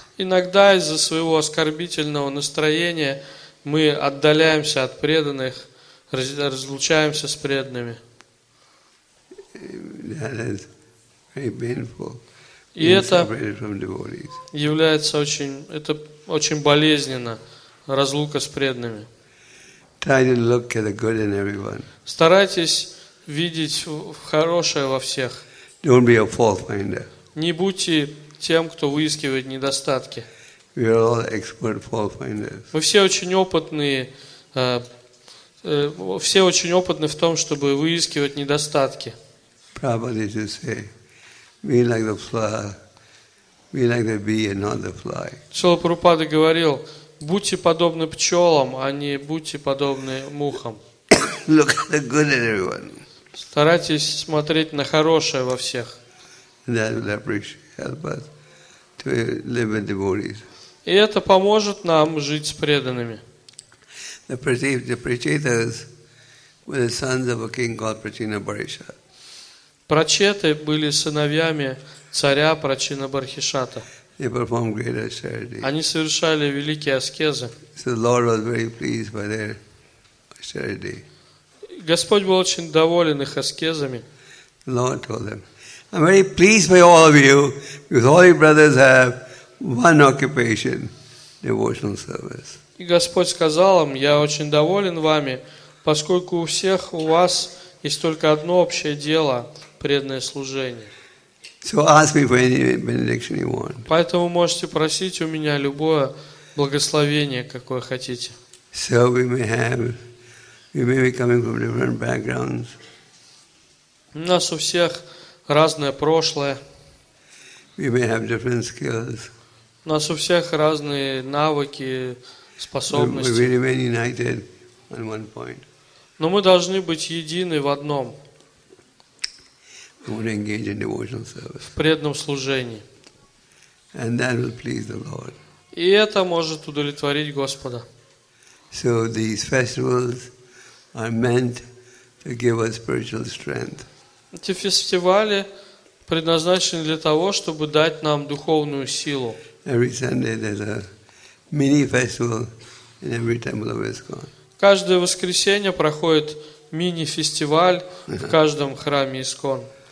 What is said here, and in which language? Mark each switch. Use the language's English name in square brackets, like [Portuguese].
[Russian] Иногда из-за своего оскорбительного настроения мы отдаляемся от преданных, разлучаемся с преданными. [English] That is very painful. [Russian] И это является очень, это очень болезненно, разлука с преданными. [English] Try to look at the good in everyone. [Russian] Старайтесь видеть хорошее во всех. [English] Don't be a fault finder. [Russian] Не будьте тем, кто выискивает недостатки. [English] We are all expert fault finders. [Russian] Мы все очень опытные, все очень опытны в том, чтобы выискивать недостатки. [English] Prabhupada used to say, we like the flower Be like the bee and not the fly. [Russian] Шрила Прабхупада говорил: будьте подобны пчелам, а не будьте подобны мухам. [English] Look at the good in everyone. [Russian] Старайтесь смотреть на хорошее во всех. [English] That will appreciate help us to live with devotees. [Russian] И это поможет нам жить с преданными. [English] The Prachetas were the sons of a king called Prachina Barisha. [Russian] Прачеты были сыновьями царя Прачина Бархишата. [English] They performed great austerities. [Russian] Они совершали великие аскезы. [English] So the Lord was very pleased by their austerity. [Russian] Господь был очень доволен их аскезами. [English] The Lord told them, I'm very pleased by all of you, because all your brothers have one occupation, devotional service. [Russian] И Господь сказал им, я очень доволен вами, поскольку у всех у вас есть только одно общее дело, преданное служение. [English] So ask me for any benediction you want. [Russian] Поэтому можете просить у меня любое благословение, какое хотите. [English] So we may be coming from different backgrounds. [Russian] У нас у всех разное прошлое. [English] We may have different skills. [Russian] У нас у всех разные навыки, способности. [English] We remain united on one point. [Russian] Но мы должны быть едины в одном. [English] We want to engage in devotional service. [Russian] В преданном служении. [English] And that will please the Lord. [Russian] И это может удовлетворить Господа. [English] So these festivals are meant to give us spiritual strength. [Russian] Эти фестивали предназначены для того, чтобы дать нам духовную силу. [English] Every Sunday there's a mini festival in every temple of ISKCON. [Russian] Каждое воскресенье проходит мини-фестиваль в каждом храме ISKCON.